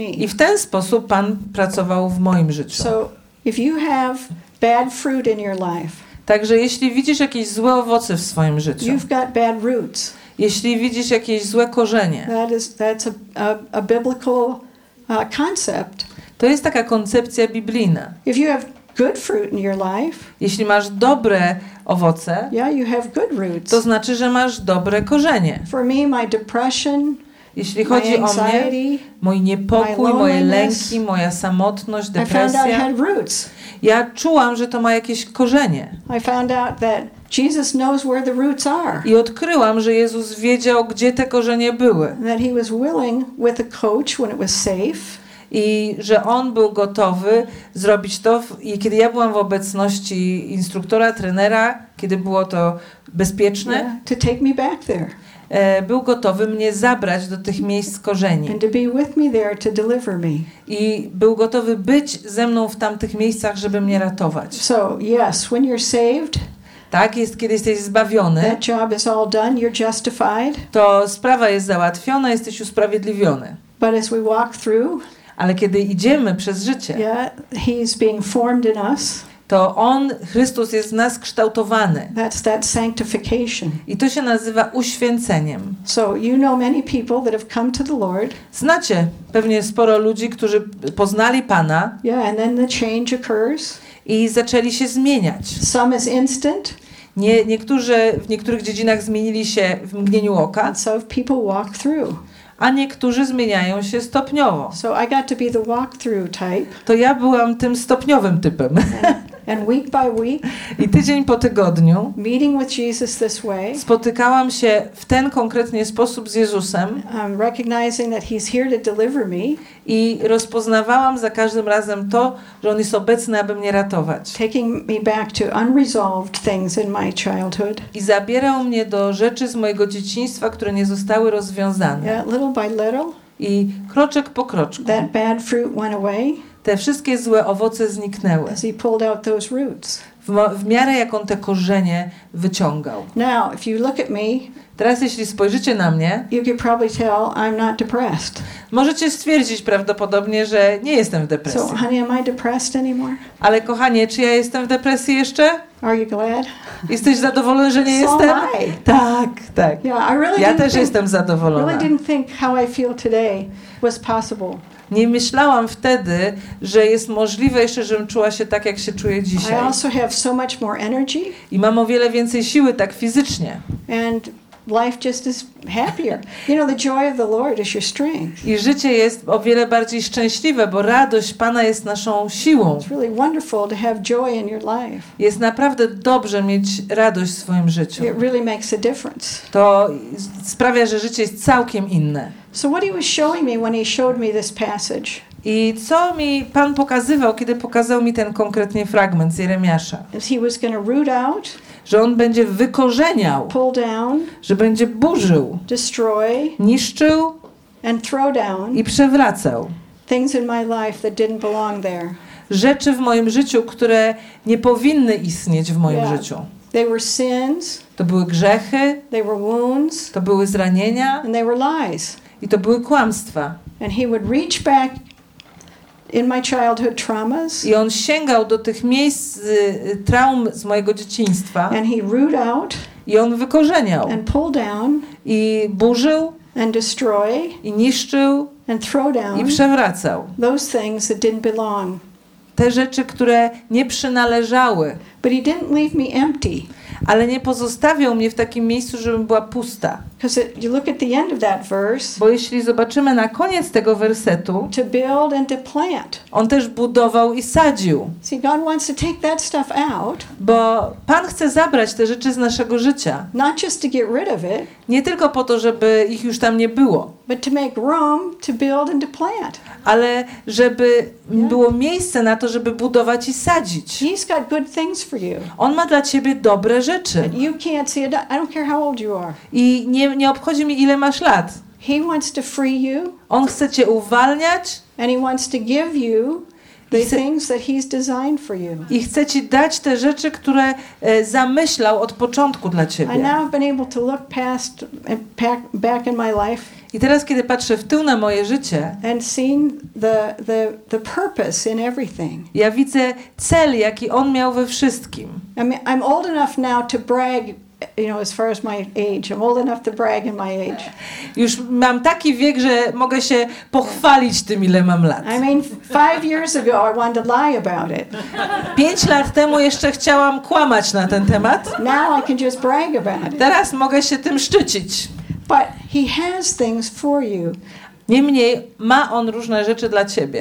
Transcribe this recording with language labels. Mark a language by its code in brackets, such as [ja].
[pl] I w ten sposób Pan pracował w moim życiu. [en] So, if you have bad fruit in your life, [pl] także jeśli widzisz jakieś złe owoce w swoim życiu, [en] you've got bad roots. [pl] Jeśli widzisz jakieś złe korzenie, [en] that's a biblical concept. [pl] To jest taka koncepcja biblijna. [en] If you have good fruit in your life, [pl] jeśli masz dobre owoce, [en] yeah, you have good roots. [pl] To znaczy, że masz dobre korzenie. [en] For me, my depression, [pl] jeśli chodzi [en] my anxiety, [pl] o mnie, mój niepokój, moje lęki, moja samotność, depresja, [en] I found out had roots. [pl] Ja czułam, że to ma jakieś korzenie. [en] I found out that Jesus knows where the roots are. [pl] I odkryłam, że Jezus wiedział, gdzie te korzenie były. [en] That he was willing with a coach when it was safe. [pl] I że on był gotowy zrobić to, i kiedy ja byłam w obecności instruktora, trenera, kiedy było to bezpieczne, [en] yeah, to take me back there. [pl] Był gotowy mnie zabrać do tych miejsc korzeni. [en] And to be with me there to deliver me. [pl] I był gotowy być ze mną w tamtych miejscach, żeby mnie ratować. [en] So, yes, when you're saved, [pl] tak, jest, kiedy jesteś zbawiony, [en] that job is all done, you're justified. [pl] To sprawa jest załatwiona, jesteś usprawiedliwiony. [en] But as we walk through, [pl] Ale kiedy idziemy przez życie, [en] yeah, he's being formed in us. [pl] To On, Chrystus, jest w nas kształtowany. [en] That's that sanctification. [pl] I to się nazywa uświęceniem. [en] So you know many people that have come to the Lord. [pl] Znacie pewnie sporo ludzi, którzy poznali Pana. [en] Yeah, and then the change occurs. [pl] I zaczęli się zmieniać. [en] Some is instant. [pl] Niektórzy w niektórych dziedzinach zmienili się w mgnieniu oka. [en] And so people walk through. [pl] A niektórzy zmieniają się stopniowo. [en] So I got to be the walk-through type. [pl] To ja byłam tym stopniowym typem. [en] And week by week, [pl] i tydzień po tygodniu [en] meeting with Jesus this way, [pl] spotykałam się w ten konkretny sposób z Jezusem, [en] recognizing that he's here to deliver me, [pl] i rozpoznawałam za każdym razem to, że On jest obecny, aby mnie ratować. [en] Taking me back to unresolved things in my childhood, [pl] i zabierał mnie do rzeczy z mojego dzieciństwa, które nie zostały rozwiązane. [en] Yeah, little by little, [pl] i kroczek po kroczku [en] that bad fruit went away. [pl] Te wszystkie złe owoce zniknęły. [en] As he pulled out those roots. [pl] W miarę jak on te korzenie wyciągał. [en] Now, if you look at me, [pl] teraz jeśli spojrzycie na mnie, [en] you can probably tell I'm not depressed. [pl] Możecie stwierdzić prawdopodobnie, że nie jestem w depresji. [en] So, honey, am I depressed anymore? [pl] Ale kochanie, czy ja jestem w depresji jeszcze? [en] Are you glad? [pl] Jesteś zadowolony, że nie so jestem? I. Tak, tak. [en] Yeah, I really [pl] ja też [en] think, [pl] jestem zadowolona. [en] Really didn't think how I feel today was possible. [pl] Nie myślałam wtedy, że jest możliwe jeszcze, żebym czuła się tak, jak się czuję dzisiaj. [en] I also have so much more energy. [pl] I mam o wiele więcej siły tak fizycznie. [en] And life just is happier. You know, the joy of the Lord is your strength. [pl] I życie jest o wiele bardziej szczęśliwe, bo radość Pana jest naszą siłą. [en] It's really wonderful to have joy in your life. [pl] Jest naprawdę dobrze mieć radość w swoim życiu. [en] It really makes a difference. [pl] To sprawia, że życie jest całkiem inne. [en] So what he was showing me when he showed me this passage? [pl] I co mi Pan pokazywał, kiedy pokazał mi ten konkretny fragment z Jeremiasza? [en] He was going to root out, [pl] że on będzie wykorzeniał, [en] pull down, [pl] że będzie burzył, [en] destroy, [pl] niszczył [en] and throw down, [pl] i przewracał [en] things in my life that didn't belong there. [pl] Rzeczy w moim życiu, które nie powinny istnieć w moim yeah. życiu. [en] They were sins, [pl] to były grzechy, [en] they were wounds, [pl] to były zranienia, [en] and they were lies. [pl] I to były kłamstwa. [en] And he would reach back in my childhood traumas, [pl] i on sięgał do tych miejsc traum z mojego dzieciństwa, [en] and he root out, [pl] i on wykorzeniał, [en] and pull down, [pl] i burzył, [en] and destroy, [pl] i niszczył, [en] and throw down, [pl] i przewracał [en] those things that didn't belong. [pl] Te rzeczy, które nie przynależały. [en] But he didn't leave me empty. [pl] Ale nie pozostawiał mnie w takim miejscu, żebym była pusta. [en] You look at the end of that verse, [pl] bo jeśli zobaczymy na koniec tego wersetu, [en] to build and to plant. [pl] On też budował i sadził. [en] See, God wants to take that stuff out, [pl] bo Pan chce zabrać te rzeczy z naszego życia. [en] Not just to get rid of it, [pl] nie tylko po to, żeby ich już tam nie było. [en] But to make room to build and to plant. [pl] Ale żeby yeah. było miejsce na to, żeby budować i sadzić. [en] He's got good things for you. [pl] On ma dla ciebie dobre rzeczy. [en] And you can't see it. I don't care how old you are. [pl] I nie obchodzi mi, ile masz lat. [en] He wants to free you. [pl] On chce cię uwalniać. [en] And he wants to give you the things that he's designed for you. [pl] I chce ci dać te rzeczy, które zamyślał od początku dla ciebie. [en] I now I've been able to look past and back in my life. [pl] I teraz, kiedy patrzę w tył na moje życie, [en] and seen the purpose in everything. [pl] Ja widzę cel, jaki on miał we wszystkim. [en] I mean, I'm old enough now to brag, you know, as far as my age. I'm old enough to brag in my age. [pl] Już mam taki wiek, że mogę się pochwalić tym, ile mam lat. [en] I mean, 5 years ago I wanted to lie about it. [pl] 5 lat temu jeszcze chciałam kłamać na ten temat. [en] Now I can just brag about it. [pl] Teraz mogę się tym szczycić. [en] But he has things for you. [pl] Niemniej ma on różne rzeczy dla ciebie.